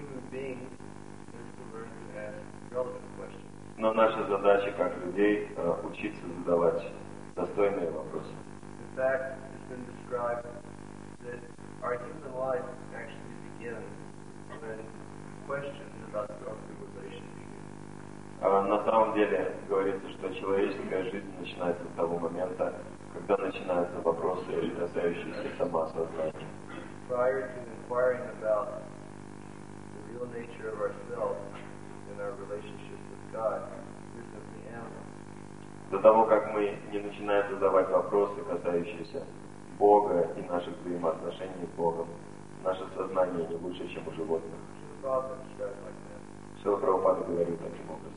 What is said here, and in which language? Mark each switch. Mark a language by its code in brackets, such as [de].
[en] Beings, this is the word you ask [ru] Но наша задача как людей учиться задавать достойные вопросы. [en] In fact, it's been described that our human life actually begins when questions about self-realization begin. [ru] На самом деле говорится, что человеческая жизнь начинается с того момента, когда начинаются вопросы, касающиеся самосознания. [en] Prior to inquiring about the real nature of ourselves and our relationship with God, we're simply animals. [ru] До того, как мы не начинаем задавать вопросы, касающиеся Бога и наших взаимоотношений с Богом, наше сознание не лучше, чем у животных. Шрила Прабхупада считает так. Шрила Прабхупада говорит таким